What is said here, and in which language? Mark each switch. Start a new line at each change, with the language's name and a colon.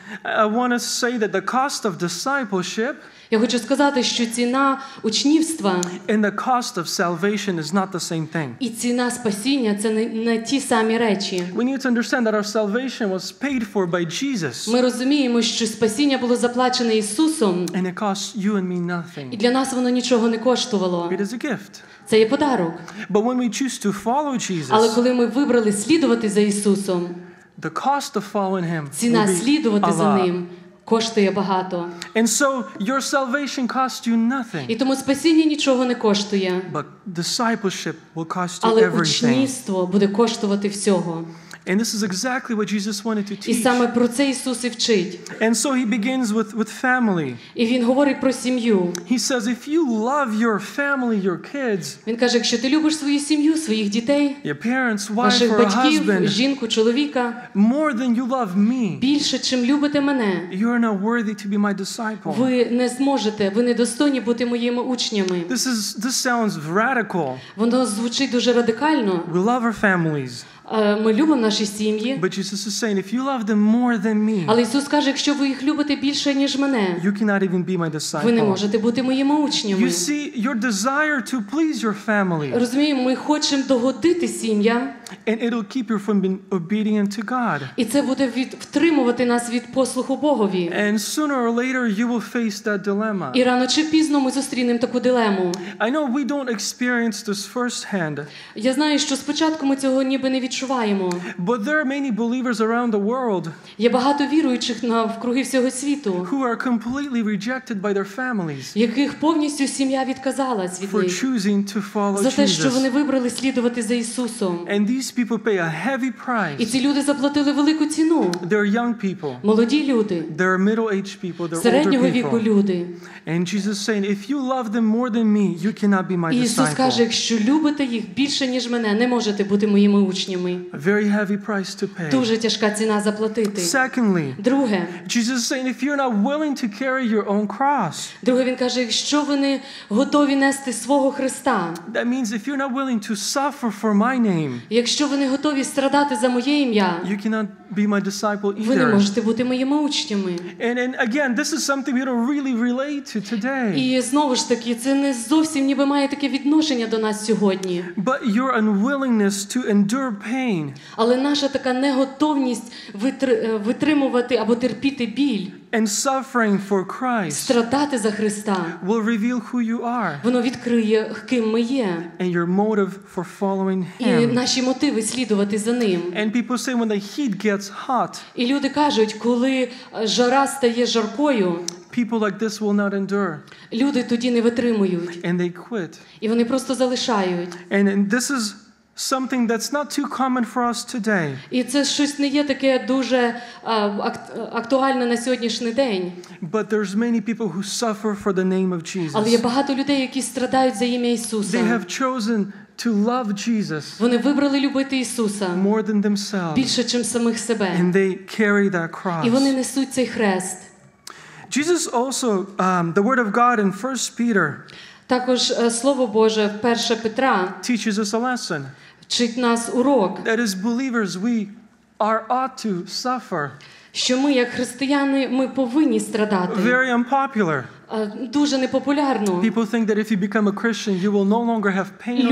English: I want to say that the cost of discipleship,
Ukrainian: я хочу сказати, що ціна учнівства,
English: and the cost of salvation is not the same thing.
Ukrainian: І ціна спасіння це не ті самі речі.
English: We need to understand that our salvation was paid for by Jesus.
Ukrainian: Ми розуміємо, що спасіння було заплачене Ісусом.
English: And it costs you and me nothing.
Ukrainian: І для нас воно нічого не коштувало.
English: It is a gift.
Ukrainian: Це є подарок.
English: But when we choose to follow Jesus,
Ukrainian: але коли ми вибрали слідувати за Ісусом,
English: the cost of following him,
Ukrainian: ціна слідувати за ним, коштує багато.
English: And so your salvation costs you nothing.
Ukrainian: І тому спасіння нічого не коштує.
English: But discipleship will cost you
Ukrainian: але
English: everything.
Ukrainian: Але учнівство буде коштувати всього.
English: And this is exactly what Jesus wanted to teach.
Ukrainian: І саме про це Ісус і вчить.
English: And so he begins with family.
Ukrainian: І він говорить про сім'ю.
English: He says, if you love your family, your kids,
Ukrainian: він каже, якщо ти любиш свою сім'ю, своїх дітей,
English: your parents, wife,
Ukrainian: ваших батьків,
English: or a husband,
Ukrainian: жінку, чоловіка,
English: more than you love me,
Ukrainian: більше, чим любите мене,
English: you are not worthy to be my disciple.
Ukrainian: Ви не зможете, ви не достойні бути моїми учнями.
English: This sounds radical.
Ukrainian: Воно звучить дуже радикально.
English: We love our families.
Ukrainian: Ми любимо наші сім'ї.
English: But Jesus is saying, if you love them more than me,
Ukrainian: але Ісус каже, якщо ви їх любите більше, ніж мене,
English: you cannot even be my disciple.
Ukrainian: Ви не можете бути моїми учнями.
English: You see, your desire to please your family,
Ukrainian: розумієм, ми хочемо догодити сім'ям,
English: and it'll keep you from being obedient to God.
Ukrainian: І це буде втримувати нас від послуху Богові.
English: And sooner or later you will face that dilemma.
Ukrainian: І рано чи пізно ми зустрінемо таку дилему.
English: I know we don't experience this firsthand.
Ukrainian: Я знаю, що спочатку ми цього ніби не відчуваємо.
English: But there are many believers around the world.
Ukrainian: Є багато віруючих навкруги всього світу.
English: Who are completely rejected by their families.
Ukrainian: Яких повністю сім'я відказалась від них.
English: For choosing to follow Jesus.
Ukrainian: За те, що вони вибрали слідувати за Ісусом.
English: And these people pay a heavy price.
Ukrainian: І ці люди заплатили велику ціну.
English: They are young people.
Ukrainian: Молоді люди.
English: They are middle-aged people. They are
Ukrainian: середнього віку люди.
English: And Jesus saying, if you love them more than me, you cannot be my disciple.
Ukrainian: Ісус каже, якщо любите їх більше, ніж мене, не можете бути моїми учнями.
English: A very heavy price to pay.
Ukrainian: Дуже тяжка ціна заплатити.
English: Secondly,
Ukrainian: друге,
English: Jesus is saying, if you're not willing to carry your own cross,
Ukrainian: друге, він каже, якщо ви не готові нести свого Христа,
English: that means if you're not willing to suffer for my name,
Ukrainian: якщо ви не готові страдати за моє ім'я,
English: you cannot be my disciple either.
Ukrainian: Ви не можете бути моїми учнями.
English: And again, this is something we don't really relate to today.
Ukrainian: І знову ж таки, це не зовсім ніби має таке відношення до нас сьогодні.
English: But your unwillingness to endure pain.
Ukrainian: Але наша така неготовність витримувати або терпіти біль.
English: And suffering for Christ.
Ukrainian: Страдати за Христа.
English: Will reveal who you are.
Ukrainian: Воно відкриє, ким ми є.
English: And your motive for following him.
Ukrainian: І наші мотиви слідувати за ним.
English: And people say when the heat gets hot.
Ukrainian: І люди кажуть, коли жара стає жаркою,
English: people like this will not endure.
Ukrainian: Люди тоді не витримують.
English: And they quit.
Ukrainian: І вони просто залишають.
English: And this is something that's not too common for us today.
Ukrainian: І це щось не є таке дуже актуальне на сьогоднішній день.
English: But there's many people who suffer for the name of Jesus.
Ukrainian: Але є багато людей, які страдають за ім'я Ісуса.
English: They have chosen to love Jesus.
Ukrainian: Вони вибрали любити Ісуса.
English: More than themselves.
Ukrainian: Більше, чим самих себе.
English: And they carry that cross.
Ukrainian: І вони несуть цей хрест.
English: Jesus also the word of God in 1 Peter.
Ukrainian: Також слово Боже в 1 Петра
English: teaches us a lesson.
Ukrainian: Вчить нас урок.
English: That as believers we are ought to suffer.
Ukrainian: Що ми як християни ми повинні страдати.
English: Very unpopular.
Ukrainian: Дуже непопулярно.
English: People think that if you become a Christian you will no longer have pain or suffering.